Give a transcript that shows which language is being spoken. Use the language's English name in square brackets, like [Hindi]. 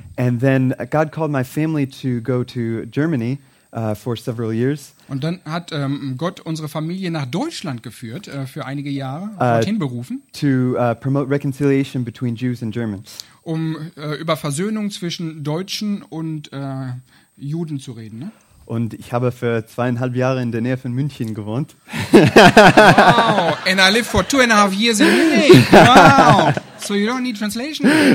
[English] And then God called my family to go to Germany for several years. [German] Und dann hat Gott unsere Familie nach Deutschland geführt für einige Jahre, dorthin berufen. [English] To promote reconciliation between Jews and Germans. [German] Um über Versöhnung zwischen Deutschen und Juden zu reden, ne? Und ich habe für 2,5 Jahre in der Nähe von München gewohnt. [English] Wow, and I live for 2,5 years in Munich. Wow, so you don't need translation.